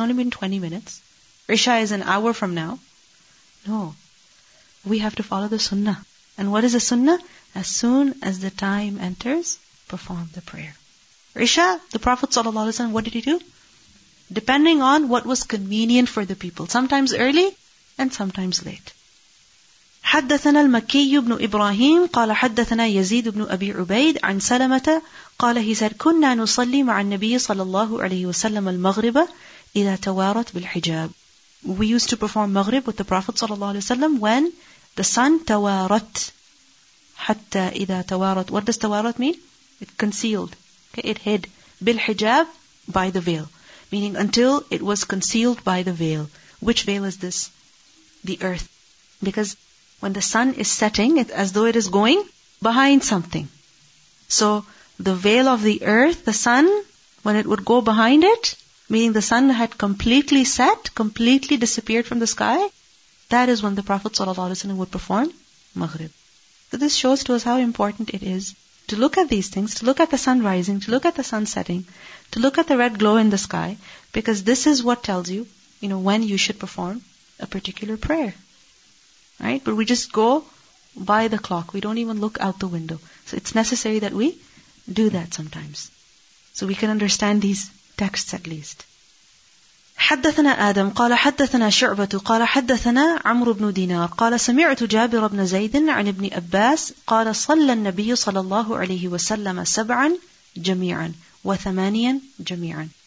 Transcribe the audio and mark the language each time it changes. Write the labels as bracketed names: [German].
[English] It's only been 20 minutes. Isha is an hour from now. No. We have to follow the sunnah. And what is the sunnah? As soon as the time enters, perform the prayer. Isha, the Prophet ﷺ, what did he do? Depending on what was convenient for the people. Sometimes early and sometimes late. [Arabic] حدثنا المكي بن إبراهيم قال حدثنا يزيد بن أبي عبيد عن سلمة قال [English] he said [Arabic] كنا نصلي مع النبي صلى الله عليه وسلم المغرب إذا توارت بالحجاب. [English] We used to perform Maghrib with the Prophet [Arabic] صلى الله عليه وسلم [English] when the sun توارت. [Arabic] حتى إذا توارت, [English] what does توارت mean? It concealed, okay, it hid. بالحجاب, by the veil, meaning until it was concealed by the veil. Which veil is this? The earth. Because when the sun is setting, it's as though it is going behind something. So the veil of the earth, the sun, when it would go behind it, meaning the sun had completely set, completely disappeared from the sky, that is when the Prophet ﷺ would perform Maghrib. So this shows to us how important it is to look at these things, to look at the sun rising, to look at the sun setting, to look at the red glow in the sky, because this is what tells you, you know, when you should perform a particular prayer. Right? But we just go by the clock. We don't even look out the window. So it's necessary that we do that sometimes, so we can understand these texts at least. [Arabic] حدثنا آدم قال حدثنا شعبة قال حدثنا عمرو بن دينار قال سمعت جابر بن زيد عن ابن أباس قال صلى النبي صلى الله عليه وسلم سبعا جميعا وثمانيا جميعا.